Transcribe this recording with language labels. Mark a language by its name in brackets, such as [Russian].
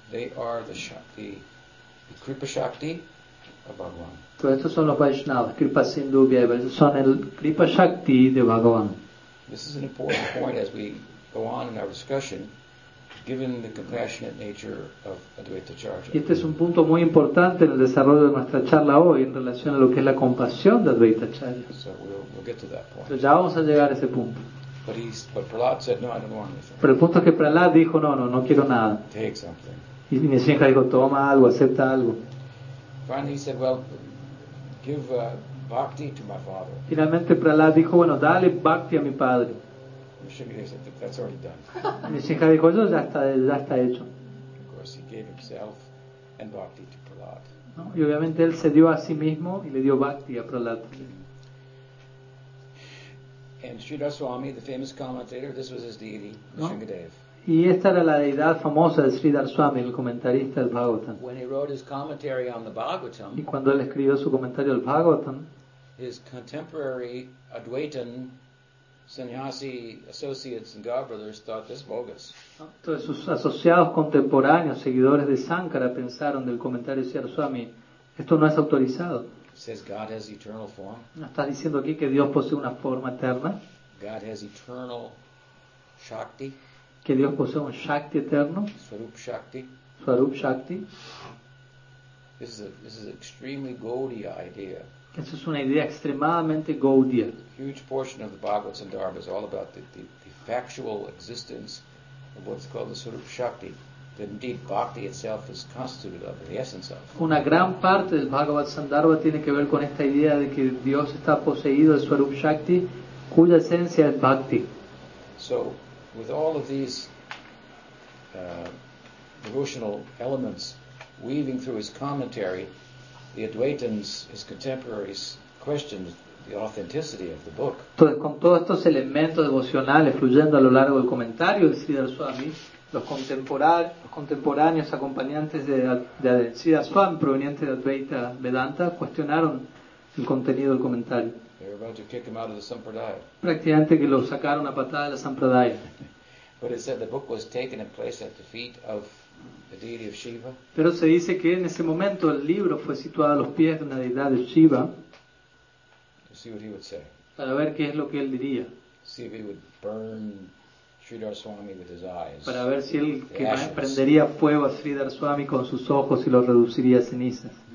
[English] They are the Shakti, the Kripa Shakti of Bhagavan. [Spanish] Pero estos son los Vaishnavas, Kripa Sindhubya, son el Kripa Shakti de Bhagavan. [English] This is an important point as we go on in our discussion, given the compassionate nature of Advaita Charya. [Spanish] Y este es un punto muy importante en el desarrollo de nuestra charla hoy en relación a lo que es la compasión de Advaita Charya. [English] So we'll get to that point. [Spanish] Entonces ya vamos a llegar a ese punto. [English] But Prahlad said, no, I don't want anything. [Spanish] Pero el punto es que Prahlad dijo, no, no, no quiero nada. [English] Take something. [Spanish] Y Nisimha dijo, toma algo, acepta algo. [English] Finally he said, well, give bhakti to my father. [Spanish] Finalmente Prahlad dijo, bueno, dale bhakti a mi padre. [English] That's already done. [Spanish] Nisimha dijo, eso ya está hecho. [English] Of course he gave himself and bhakti to Prahlad. [Spanish] No, y obviamente él se dio a sí mismo y le dio bhakti a Prahlad. [English] And Sridhar Swami, the famous commentator, this was his deity, Nrsingadev. [Spanish] Y esta era la deidad famosa de Sridhar Swami, el comentarista del Bhagavatam. [English] When he wrote his commentary on the Bhagavatam, [Spanish] y cuando él escribió su comentario al Bhagavatam, [English] his contemporary Advaitin sannyasi associates and godbrothers thought this bogus. [Spanish] Entonces sus asociados contemporáneos, seguidores de Sankara, pensaron del comentario de Sridhar Swami, esto no es autorizado. [English] Says God has eternal form. [Spanish] ¿Estás diciendo aquí que Dios posee una forma eterna? [English] God has eternal shakti. [Spanish] Que Dios posee un shakti eterno. [English] Swarup shakti. [Spanish] Swarup shakti. [English] This is an extremely Gaudiya idea. [Spanish] Esa es una idea extremadamente Gaudiya. [English] Huge portion of the Bhagavad and Dharma is all about the factual existence of what's called the Swarup shakti. That indeed bhakti itself is constituted of the essence of. [Spanish] Una gran parte del Bhagavad Sandarbha tiene que ver con esta idea de que Dios está poseído de Swarup Shakti, cuya esencia es bhakti. [English] So, with all of these devotional elements weaving through his commentary, the Advaitins, his contemporaries, questioned the authenticity of the book. [Spanish] Entonces, con todos estos elementos devocionales fluyendo a lo largo del comentario de Sridhar Swami, los contemporáneos acompañantes de Sridhar Swami provenientes de Advaita Vedanta cuestionaron el contenido del comentario. [English] They were about to kick him out of the Sampradaya. [Spanish] Prácticamente que lo sacaron a patada de la Sampradaya. [English] But it said the book was taken in place at the feet of the deity of Shiva. [Spanish] Pero se dice que en ese momento el libro fue situado a los pies de una deidad de Shiva. [English] To see what he would say. [Spanish] Para ver qué es lo que él diría. [English] See if he would burn Sridhar Swami with his eyes. [Spanish] Para ver si él prendería fuego a Sridhar Swami con sus ojos y lo reduciría a cenizas.